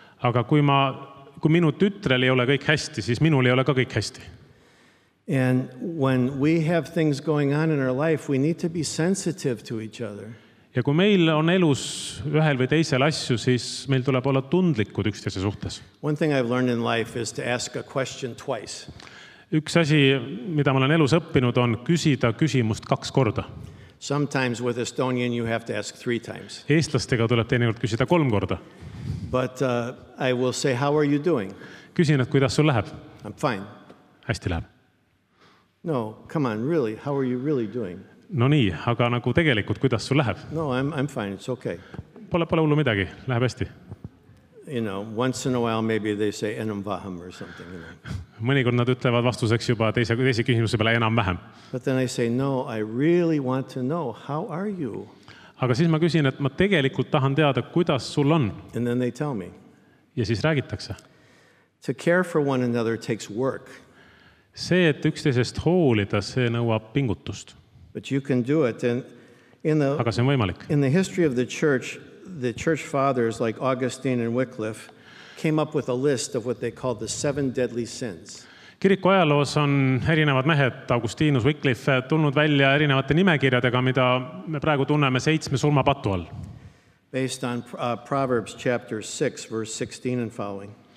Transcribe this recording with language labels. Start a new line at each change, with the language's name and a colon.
Estonian: Aga kui minu tütrel ei ole kõik hästi, siis minul ei ole ka kõik hästi.
English: And when we have things going on in our life, we need to be sensitive to each other.
Estonian: Ja kui meil on elus ühel või teisel asju, siis meil tuleb olla tundlikud üksteise suhtes.
English: One thing I've learned in life is to ask a question twice.
Estonian: Üks asi, mida ma olen elus õppinud, on küsida küsimust kaks korda.
English: Sometimes with Estonian you have to ask three times.
Estonian: Eestlastega tuleb teinekord küsida kolm korda.
English: But I will say, how are you doing?
Estonian: Küsin, et kuidas sul läheb?
English: I'm fine.
Estonian: Hästi läheb.
English: No, come on, really, how are you really doing?
Estonian: No nii, aga nagu tegelikult, kuidas sul läheb?
English: No, I'm fine, it's okay.
Estonian: Pole hullu midagi, läheb hästi.
English: You know, once in a while maybe they say
Estonian: enam vaham
English: or something, you know.
Estonian: Mõnikord nad ütlevad vastuseks juba teise küsimuse peale enam vähem.
English: But then I say, no, I really want to know, how are you?
Estonian: Aga siis ma küsin, et ma tegelikult tahan teada, kuidas sul on.
English: And then they tell me.
Estonian: Ja siis räägitakse.
English: To care for one another takes work.
Estonian: See, et üksteisest hoolida, see nõuab pingutust.
English: But you can do it.
Estonian: Aga see on võimalik.
English: In the history of the church, the church fathers like Augustine and Wycliffe came up with a list of what they called the seven deadly sins.
Estonian: Kiriku ajaloos on erinevad mehed, Augustinus, Wycliffe, tulnud välja erinevate nimekirjadega, mida me praegu tunneme seitsme surmapatu all.
English: Based on Proverbs chapter 6, verse 16 and following.